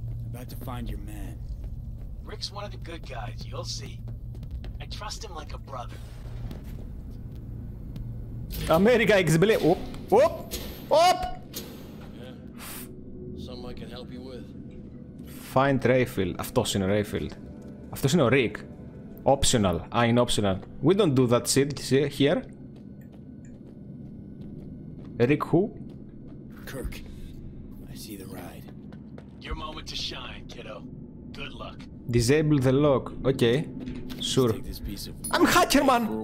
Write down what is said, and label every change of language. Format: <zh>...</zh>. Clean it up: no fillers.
<en>About to find your man. Rick's one of the good guys, you'll see. I trust him like a brother. America exhibit. Oop, oop, oop! Something I can help you with. Find Rayfield.</en> <el>Αυτός είναι ο Rayfield. Αυτός είναι ο Rick.</el> <en>Optional. I'm in optional. We don't do that shit here. Rick who? Kirk. I see the ride. Your moment to shine, kiddo. Good luck. Disable the lock. Okay. Sure. I'm hacker man.</en>